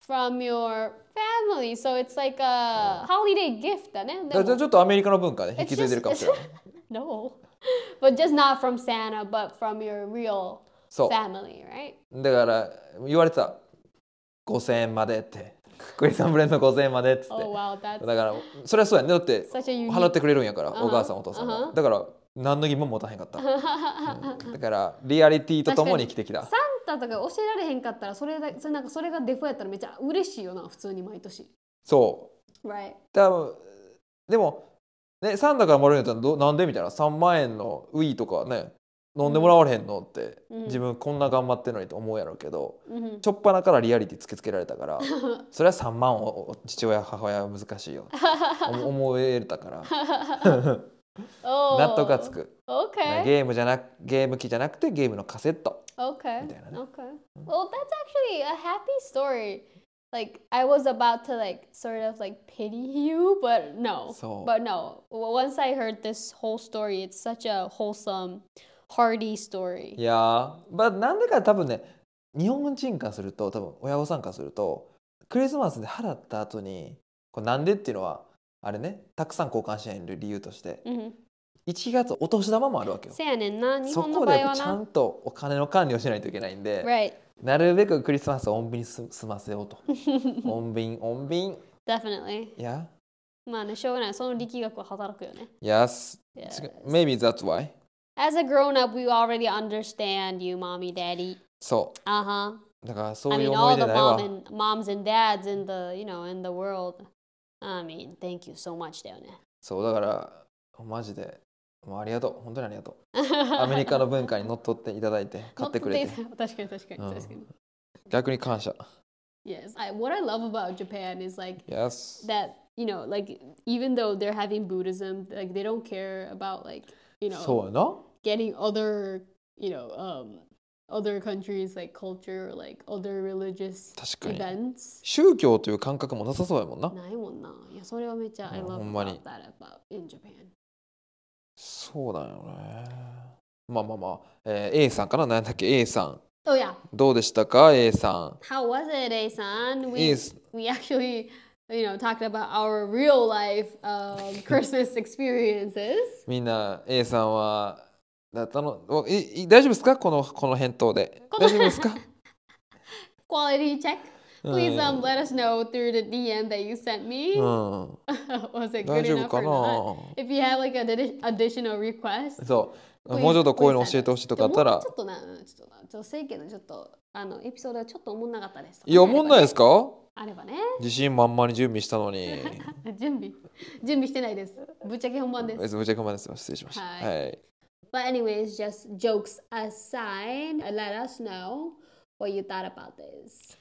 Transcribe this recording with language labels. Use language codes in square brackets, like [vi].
[en] From your family, so it's like a holiday gift [ja] だね。じゃあちょっとアメリカの文化で引き継いでるかもしれない。 [en] No, but just not from Santa, but from your real family, right? [ja] だから言われてた、5000円までって、クリスマスプレゼント5000円までって。 [en] Oh wow, that's. [ja] だからそれはそうやね。だって払ってくれるんやから、お母さんお父さんが。だから何の疑問も持たへんかった。だからリアリティとともに生きてきた。とか教えられへんかったら、それなんかそれがデフォやったらめっちゃ嬉しいよな、普通に毎年。そう。 [en] Right. [ja] 多分でも、ね、サンタからもらえるんやったらなんでみたいな、3万円のウィーとかね、飲んでもらわれへんのって、うん、自分こんな頑張ってんのにって思うやろうけど、うん、ちょっぱなからリアリティつけつけられたから、それは3万を父親、母親は難しいよって思えたから。 [en] Oh. [ja] 納得がつく。 [en] Okay. [ja] ゲームじゃなく、ゲーム機じゃなくてゲームのカセット。 [en] Okay. Okay. Well, that's actually a happy story. Like, I was about to like sort of like pity you, but no. So. But no. Well, once I heard this whole story, it's such a wholesome, hearty story. Yeah. But [ja] なんでか多分ね、日本人からすると多分親御さんからするとクリスマスで払った後にこれなんでっていうのはあれね、たくさん交換しない理由として。 [en] Mm-hmm. [ja] 1月お年玉もあるわけよ。せやねんな、日本の場合はな。そこでちゃんとお金の管理をしないといけないんで、 right. なるべくクリスマスを穏便に済ませようと。穏便、穏便。 [en] Definitely. Yeah. [ja] まあね、しょうがない。その力学は働くよね。 [en] Yes. Yes. Maybe that's why. As a grown up, we already understand you, mommy, daddy. [ja] そう。 [en] Uh-huh. [ja] だからそういう思い出ないわ。 [en] I mean, all the moms and dads in the, you know, in the world. I mean, thank you so much [ja] だよね。そう、だから、マジで。もうありがとう、本当にありがとう。アメリカの文化に乗っ取っていただいて買ってくれて確かに、うん、逆に感謝。 [en] Yes, what I love about Japan is like、 yes. that you know like even though they're having Buddhism like they don't care about like you know getting other you know、other countries like culture or like other religious events [ja] 宗教という感覚もなさそうやもんな。ないもんな。いやそれはめっちゃ、うん、 [en] I love about that about in Japan [ja] そうだよね。まあまあまあ、A さんかな、何だっけ、 A さん。 [en] Oh, yeah. [ja] どうでしたか、 A さん。 [en] How was it, A さん？ We actually, you know, talked about our real life Christmas experiences. [ja] みんな A さんはだったの、大丈夫ですか、この返答で。大丈夫ですか [en] Quality check. Please、 [ja] うん、 [en] let us know through the DM that you sent me.、 [ja] うん、 [en] Was it good enough or not? If you have like an additional request. [ja] そう。もうちょっとこういうの教えてほしいとかあったら。ちょっとな、ちょっとな、ちょっと、せいけど、ちょっと、あの、エピソードはちょっと思んなかったです。いや、思んないですか？あればね。自信満々に準備したのに。準備してないです。ぶっちゃけ本番です。ぶっちゃけ本番です。失礼しました。はい。 [en] But anyways, just jokes aside, let us know what you thought about this.